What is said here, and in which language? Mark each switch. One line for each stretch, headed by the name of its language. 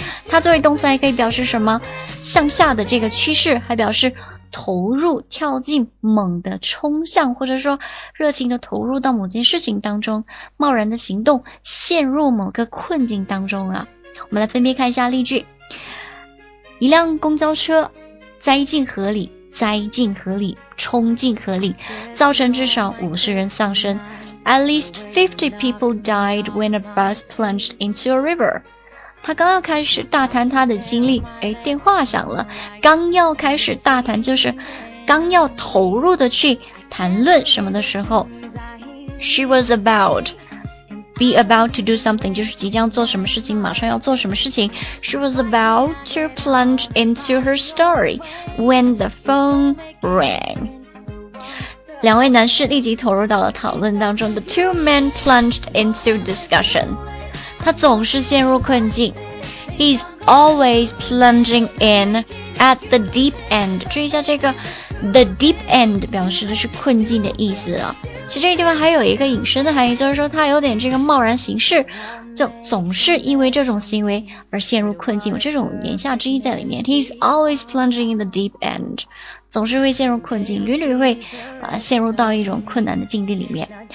Chinese: 它作为动词还可以表示什么？向下的这个趋势，还表示投入、跳进、猛的冲向，或者说热情的投入到某件事情当中，贸然的行动，陷入某个困境当中啊。我们来分别看一下例句。一辆公交车栽进河里，栽进河里，冲进河里，造成至少50人丧生。
English: At least 50 people died when a bus plunged into a river.
Chinese: 他刚要开始大谈他的经历，哎，电话响了。刚要开始大谈，就是刚要投入的去谈论什么的时候。
English: She was about, be about to do something,
Chinese: 就是即将做什么事情，马上要做什么事情。
English: She was about to plunge into her story when the phone rang.
Chinese: 两位男士立即投入到了讨论当中。
English: The two men plunged into discussion.
Chinese: 他总是陷入困境。
English: He's always plunging in at the deep end.
Chinese: 注意一下这个 the deep end 表示的是困境的意思啊。其实这个地方还有一个隐身的含义，就是说他有点这个贸然行事，就总是因为这种行为而陷入困境，有这种言下之意在里面。
English: He's always plunging in the deep end，
Chinese: 总是会陷入困境，屡屡会陷入到一种困难的境地里面。